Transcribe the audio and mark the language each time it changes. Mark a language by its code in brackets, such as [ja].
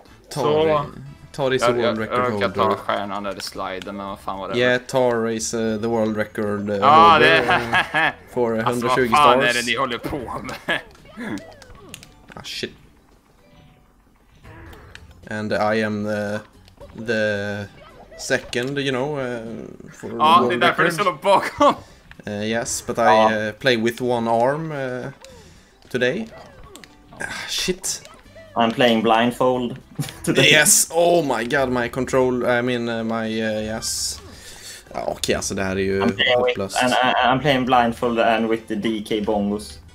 [en] Ta race the world record holder. [sv] Jag kan ta stjärnan där i sliden, men vad fan var det? [en] Yeah, ta race the world record holder. For 120 stars. [sv] Alltså vad fan är det ni håller på med? [en] Ah, shit. And I am the second, you know, for the world record. [sv] Ja, det är därför det står bakom. [en] Yes, but I play with one arm. Today. Ah, shit. I'm playing blindfold today. Yes. Oh my god, my control. I mean my yes. [sv] Okay, alltså det här är ju hopplöst. [en] I'm playing blindfold and with the DK bongos.